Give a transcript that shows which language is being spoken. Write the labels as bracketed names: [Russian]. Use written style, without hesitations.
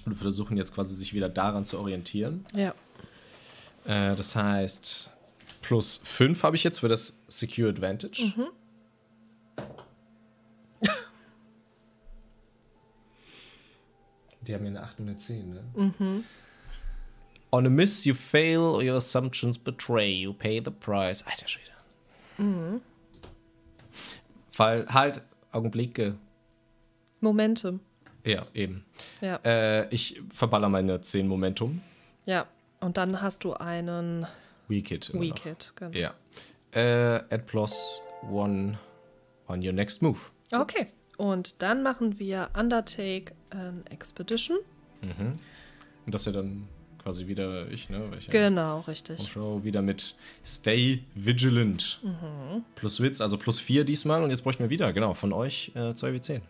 [German] Und wir versuchen jetzt quasi, sich wieder daran zu orientieren. Ja. Das heißt, plus 5 habe ich jetzt für das Secure Advantage. Mhm. Die haben ja eine 8 und eine 10, ne? Mhm. [English] On a miss, you fail, your assumptions betray, you pay the price. [German] Alter Schwede. Mhm. Fall, halt, Augenblicke. Momentum. Ja, eben. Ja. Ich verballer meine 10 Momentum. Ja, und dann hast du einen Weak Hit, genau. Ja. [English] Add plus 1 on your next move. [German] Okay, und dann machen wir Undertake an Expedition. Mhm. Und das ja dann quasi wieder ich, ne? Weil ich genau, ja, richtig. Und schau wieder mit Stay Vigilant. Mhm. Plus Witz, also plus 4 diesmal. Und jetzt bräuchten wir wieder, genau, von euch 2W10.